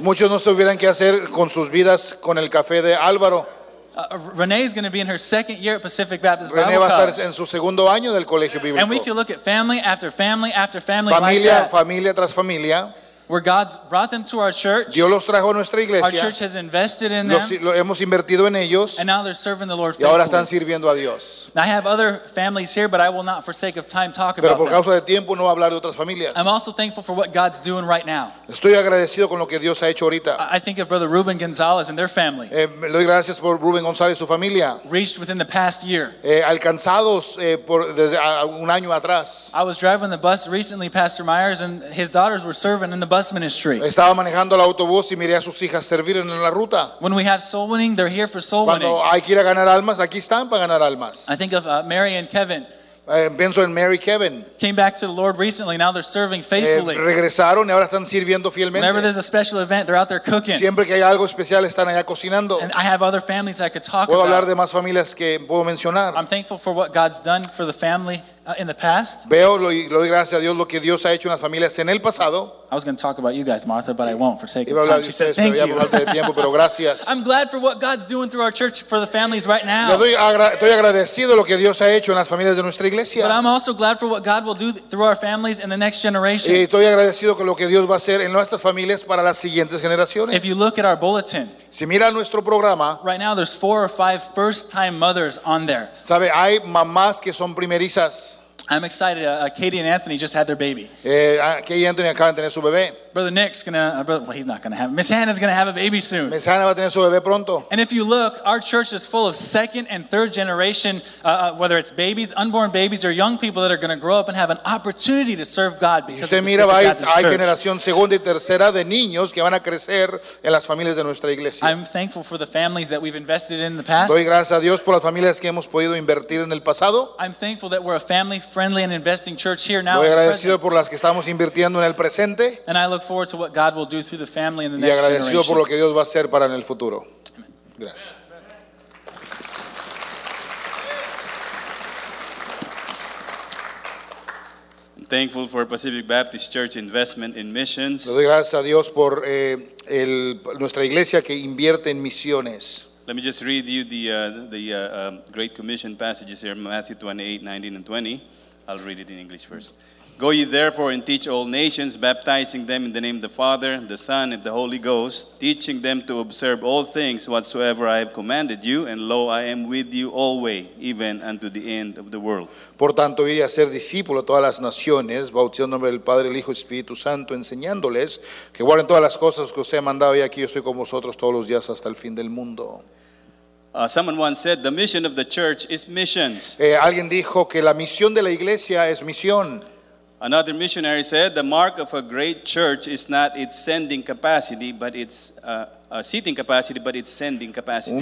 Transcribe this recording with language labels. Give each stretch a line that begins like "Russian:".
Spanish: Muchos no sabrían qué hacer con sus vidas con el café de Álvaro.
English: Renee is going to be in her second year at Pacific Baptist Renee Bible
Spanish: va a estar
English: College.
Spanish: En su segundo año del colegio bíblico.
English: And we can look at family after family after family
Spanish: familia,
English: like that.
Spanish: Familia tras familia.
English: Where God's brought them to our church.
Spanish: Dios los trajo a nuestra iglesia.
English: Our church has invested in them.
Spanish: Lo hemos invertido en ellos.
English: And now they're serving the Lord faithfully.
Spanish: Y ahora están sirviendo a Dios.
English: Now I have other families here, but I will not for sake of time talk
Spanish: pero
English: about
Spanish: por causa
English: them.
Spanish: De tiempo no voy a hablar de otras familias.
English: I'm also thankful for what God's doing right now.
Spanish: Estoy agradecido con lo que Dios ha hecho ahorita.
English: I think of Brother Ruben Gonzalez and their family.
Spanish: Doy gracias por Ruben González y su familia.
English: Reached within the past year.
Spanish: Alcanzados por desde un año atrás.
English: I was driving the bus recently, Pastor Myers, and his daughters were serving in the bus.
Spanish: Estaba manejando el autobús y miré a sus hijas servir en la ruta.
English: When we have soul winning, they're here for soul winning.
Spanish: Cuando hay que ir a ganar almas, aquí están para ganar almas.
English: I think of Mary and Kevin.
Spanish: Pienso en Mary Kevin.
English: Came back to the Lord recently. Now they're serving faithfully.
Spanish: Regresaron y ahora están sirviendo fielmente.
English: Whenever there's a special event, they're out there cooking.
Spanish: Siempre que hay algo especial, están allá cocinando.
English: And I have other families I could talk about.
Spanish: Puedo hablar de más familias que puedo mencionar.
English: I'm thankful for what God's done for the family in the past.
Spanish: Veo y le doy gracias a Dios lo que Dios ha hecho en las familias en el pasado.
English: I was going to talk about you guys, Martha, but I won't for sake of time. She said, thank you.
Spanish: Iba a hablar de tiempo, pero gracias.
English: I'm glad for what God's doing through our church for the families right now.
Spanish: Estoy agradecido lo que Dios ha hecho en las familias de nuestra iglesia.
English: But I'm also glad for what God will do through our families in the next generation.
Spanish: Estoy agradecido con lo que Dios va a hacer en nuestras familias para las siguientes generaciones.
English: If you look at our bulletin,
Spanish: si mira nuestro programa,
English: right now there's four or five first-time mothers on there.
Spanish: Sabe, hay mamás que son primerizas.
English: I'm excited. Katie and Anthony just had their baby.
Spanish: Katie y Anthony acaban de tener su bebé.
English: Brother Nick's gonna. Well, he's not gonna have. Miss Hannah's gonna have a baby soon.
Spanish: Miss Hannah va a tener su bebé pronto.
English: And if you look, our church is full of second and third generation, whether it's babies, unborn babies, or young people that are gonna grow up and have an opportunity to serve God because
Spanish: usted mira,
English: Pacific
Spanish: Baptist Church. Hay generación segunda y tercera de niños que van a crecer en las familias de nuestra iglesia.
English: I'm thankful for the families that we've invested in the past.
Spanish: Doy gracias a Dios por las familias que hemos podido invertir en el pasado.
English: I'm thankful that we're a family friendly and investing church here now.
Spanish: Estoy agradecido por las que estamos invirtiendo en el presente.
English: And I look forward to what God will do through the family in the next generation.
Spanish: Y agradecido por lo que Dios va a hacer para en el futuro.
English: Amen.
Spanish: Gracias.
English: I'm thankful for Pacific Baptist Church investment in missions.
Spanish: Doy gracias a Dios por nuestra iglesia que invierte en misiones.
English: Let me just read you the Great Commission passages here, Matthew 28:19-20. I'll read it in English first. Go ye therefore and teach all nations, baptizing them in the name of the Father, the Son, and the Holy Ghost, teaching them to observe all things whatsoever I have commanded you, and lo, I am with you always, even unto the end of the world.
Spanish: Por tanto, iré a ser discípulo a todas las naciones, bautizando en nombre del Padre, el Hijo y Espíritu Santo, enseñándoles que guarden todas las cosas que os he mandado, y aquí yo estoy con vosotros todos los días hasta el fin del mundo.
English: Someone once said, the mission of the church is missions.
Spanish: Alguien dijo que la misión de la iglesia es misión.
English: Another missionary said, the mark of a great church is not its sending capacity, but its seating capacity, but its sending capacity.